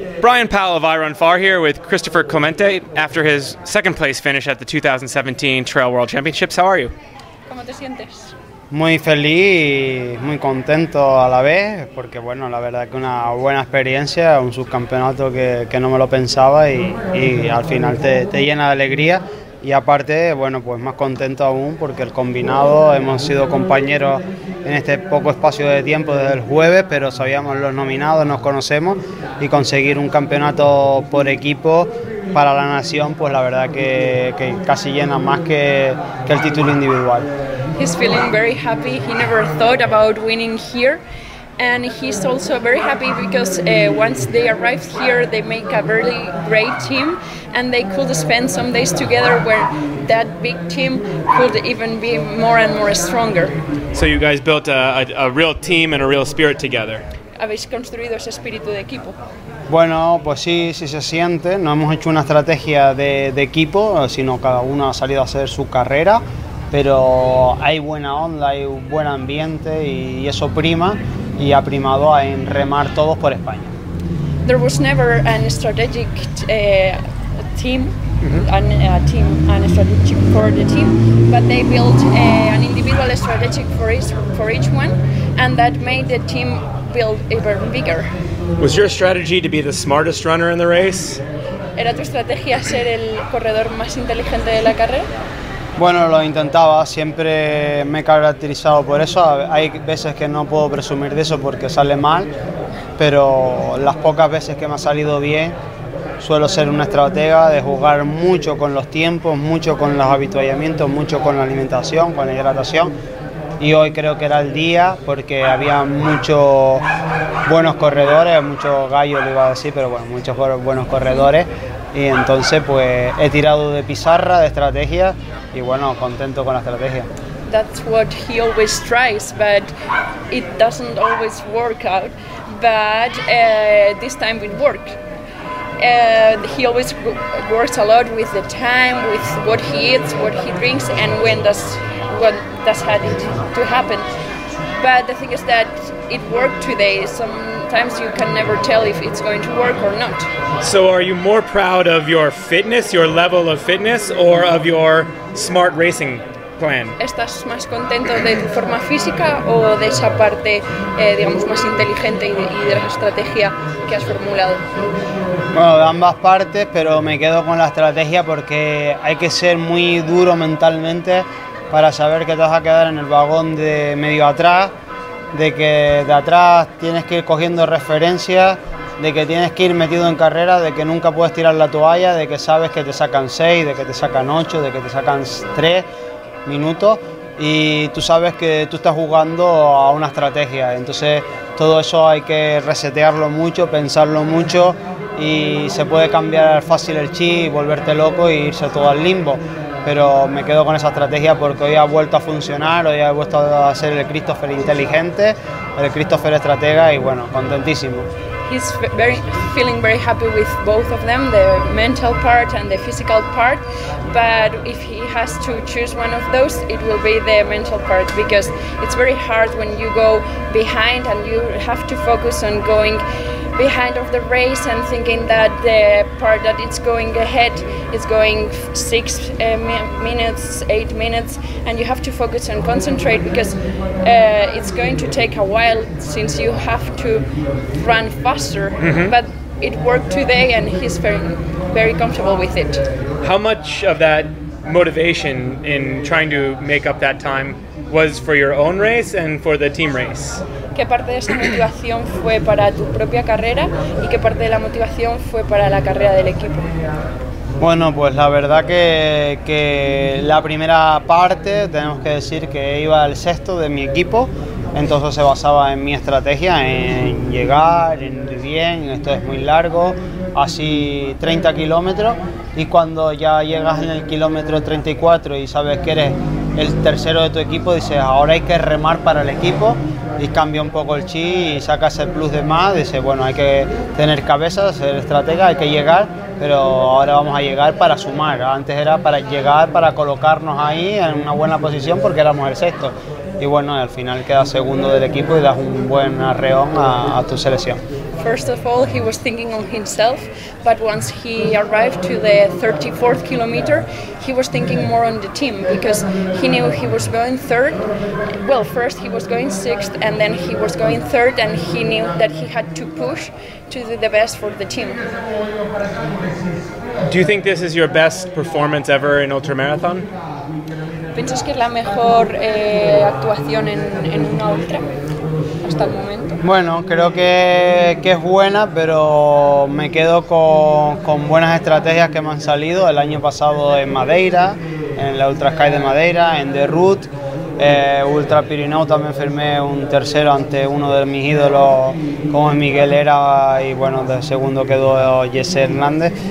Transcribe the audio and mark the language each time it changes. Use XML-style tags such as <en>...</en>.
<en>Brian Powell of I Run Far here with Cristofer Clemente after his second place finish at the 2017 Trail World Championships. How are you?</en> <es>¿Cómo te sientes? Muy feliz, muy contento a la vez, porque bueno, la verdad que una buena experiencia, un subcampeonato que no me lo pensaba y al final te llena de alegría. Y aparte, bueno, pues más contento aún porque el combinado, hemos sido compañeros en este poco espacio de tiempo desde el jueves, pero sabíamos los nominados, nos conocemos, y conseguir un campeonato por equipo para la nación, pues la verdad que casi llena más que el título individual.</es> <en>He's feeling very happy. He never thought about winning here. And he's also very happy because once they arrived here, they make a really great team and they could spend some days together where that big team could even be more and more stronger. So you guys built a real team and a real spirit together.</en> <es>¿Habéis construido ese espíritu de equipo? Bueno, pues sí, sí se siente. No hemos hecho una estrategia de equipo, sino cada uno ha salido a hacer su carrera. Pero hay buena onda, hay un buen ambiente y eso prima. Y ha primado en remar todos por España.</es> <en>There was never an strategic team, a strategic for the team, but they built an individual strategic for each one, and that made the team build even bigger. Was your strategy to be the smartest runner in the race?</en> <es>¿Era tu estrategia ser el corredor más inteligente de la carrera? Bueno, lo intentaba, siempre me he caracterizado por eso. Hay veces que no puedo presumir de eso porque sale mal, pero las pocas veces que me ha salido bien, suelo ser una estratega de jugar mucho con los tiempos, mucho con los habituallamientos, mucho con la alimentación, con la hidratación. Y hoy creo que era el día porque había muchos buenos corredores, muchos gallos, le iba a decir, pero bueno, muchos buenos corredores. Y entonces pues he tirado de pizarra, de estrategia, y bueno, contento con la estrategia.</es> <en>That's what he always tries, but it doesn't always work out, but this time it worked. He always works a lot with the time, with what he eats, what he drinks, and when does had it to happen. But the thing is that it worked today. Sometimes you can never tell if it's going to work or not. So are you more proud of your fitness, your level of fitness, or of your smart racing plan?</en> <es>¿Estás más contento de tu forma física o de esa parte, digamos, más inteligente y de la estrategia que has formulado? Bueno, de ambas partes, pero me quedo con la estrategia porque hay que ser muy duro mentalmente para saber que te vas a quedar en el vagón de medio atrás, de que de atrás tienes que ir cogiendo referencias, de que tienes que ir metido en carrera, de que nunca puedes tirar la toalla, de que sabes que te sacan 6, de que te sacan 8, de que te sacan 3 minutos, y tú sabes que tú estás jugando a una estrategia. Entonces todo eso hay que resetearlo mucho, pensarlo mucho, y se puede cambiar fácil el chip y volverte loco e irse todo al limbo. Pero me quedo con esa estrategia porque hoy ha vuelto a funcionar, hoy ha vuelto a ser el Cristofer inteligente, el Cristofer estratega, y bueno, contentísimo.</es> <en>He's very feeling very happy with both of them, the mental part and the physical part, but if he has to choose one of those, it will be the mental part, because it's very hard when you go behind and you have to focus on going behind of the race and thinking that the part that it's going ahead is going 6 minutes, 8 minutes, and you have to focus and concentrate because it's going to take a while since you have to run faster. Mm-hmm. But it worked today and he's very, very comfortable with it. How much of that motivation in trying to make up that time was for your own race and for the team race?</en> <es>¿Qué parte de esa motivación fue para tu propia carrera y qué parte de la motivación fue para la carrera del equipo? Bueno, pues la verdad que la primera parte, tenemos que decir que iba al sexto de mi equipo, entonces se basaba en mi estrategia, en llegar, en ir bien, esto es muy largo, así 30 kilómetros, y cuando ya llegas en el kilómetro 34 y sabes que eres el tercero de tu equipo, dices, ahora hay que remar para el equipo, y cambia un poco el chi y saca ese plus de más, dice, bueno, hay que tener cabeza, ser estratega, hay que llegar, pero ahora vamos a llegar para sumar. Antes era para llegar, para colocarnos ahí en una buena posición porque éramos el sexto. Y bueno, al final queda segundo del equipo y das un buen arreón a tu selección.</es> <en>first of all, he was thinking on himself, but once he arrived to the 34th kilometer, he was thinking more on the team, because he knew he was going third. Well, first he was going sixth, and then he was going third, and he knew that he had to push to do the best for the team. Do you think this is your best performance ever in ultramarathon?</en> <es>¿Piensas que es la mejor actuación en una ultra hasta el momento? Bueno, creo que es buena, pero me quedo con buenas estrategias que me han salido el año pasado en Madeira, en la Ultra Sky de Madeira, en The Route, Ultra Pirineo también firmé un tercero ante uno de mis ídolos como Miguel Era, y bueno, de segundo quedó Jesse Hernández.</es>